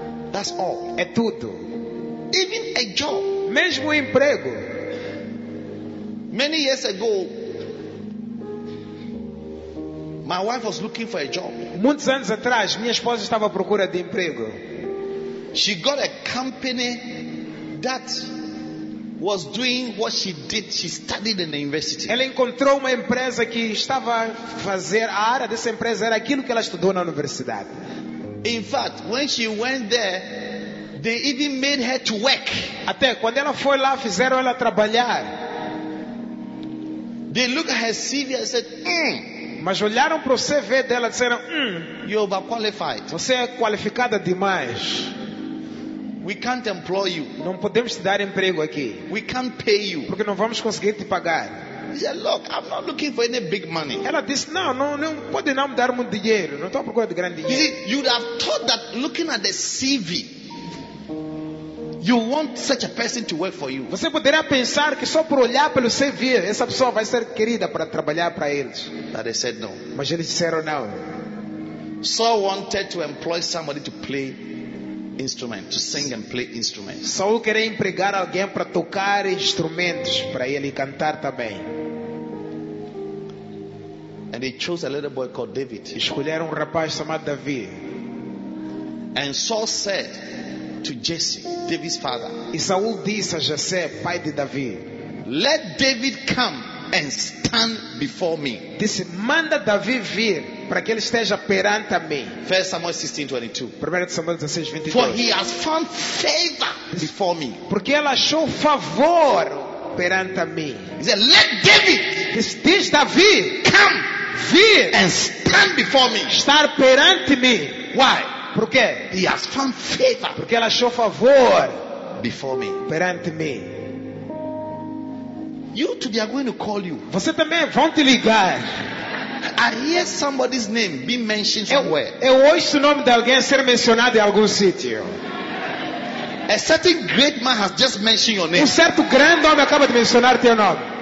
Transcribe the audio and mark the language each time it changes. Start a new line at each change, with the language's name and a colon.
English: That's all.
Portuguese: É tudo.
English: Even a job.
Portuguese: Mesmo um emprego.
English: Many years ago. My wife was looking for a job.
Portuguese: Muitos anos atrás, minha esposa estava à procura de emprego.
English: She got a company that was doing what she did. She studied in the university.
Portuguese: Ela encontrou uma empresa que estava a fazer, a área dessa empresa era aquilo que ela estudou na universidade.
English: In fact, when she went there, they even made her to work.
Portuguese: Até quando ela foi lá, fizeram ela trabalhar.
English: They looked at her CV and said,
Portuguese: Mas olharam para o CV dela e disseram,
English: you're overqualified.
Portuguese: Você é qualificada demais.
English: We can't employ you.
Portuguese: Não podemos te dar emprego aqui.
English: We can't pay you.
Portuguese: Porque não vamos conseguir te pagar.
English: He said, look, I'm not looking for any big money.
Portuguese: Ela disse, não pode não me dar muito dinheiro. Não estou à procura de grande dinheiro.
English: You see, you'd have thought that looking at the CV, you want such a person to work for you.
Portuguese: Você poderia pensar que só por olhar pelo CV essa pessoa vai ser querida para trabalhar para eles.
English: But they said no.
Portuguese: Mas eles disseram não.
English: Saul wanted to employ somebody to play instrument, to sing and play instruments.
Portuguese: Saul queria empregar alguém para tocar instrumentos, para ele cantar também.
English: And they chose a little boy called David.
Portuguese: Escolheram um rapaz chamado Davi.
English: And Saul said to Jesse, David's father.
Portuguese: E Saul disse a Jesse, pai de Davi,
English: let David come and stand before me.
Portuguese: Disse, manda Davi vir para que ele esteja perante a mim.
English: 1 Samuel 16:22. For he has found favor before me.
Portuguese: Porque ele achou favor perante a mim.
English: He said, let David.
Portuguese: Diz Davi,
English: come,
Portuguese: vir
English: and stand before me.
Portuguese: Estar perante mim.
English: Why?
Portuguese: Porque
English: he has found favor.
Portuguese: Porque ela achou favor
English: before me.
Portuguese: Perante me.
English: You too, they are going to call you.
Portuguese: Você também vão te ligar.
English: I hear somebody's name being mentioned somewhere.
Portuguese: Eu ouço o nome de alguém ser mencionado em algum sítio.
English: A certain great man has just mentioned your name.
Portuguese: Um certo grande homem acaba de mencionar teu nome.